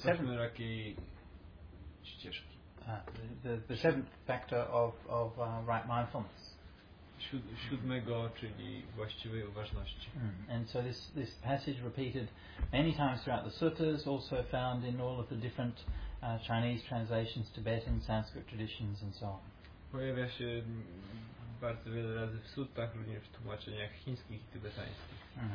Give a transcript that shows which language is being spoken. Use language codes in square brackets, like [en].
[pl] siedmiorakiej ścieżki. [en] The seventh factor of right mindfulness. [pl] Siódmego, czyli właściwej uważności. [en] And so this passage repeated many times throughout the suttas, also found in all of the different Chinese translations, Tibetan, Sanskrit traditions and so on. [pl] Pojawia się bardzo wiele razy w suttach, również w tłumaczeniach chińskich i tybetańskich.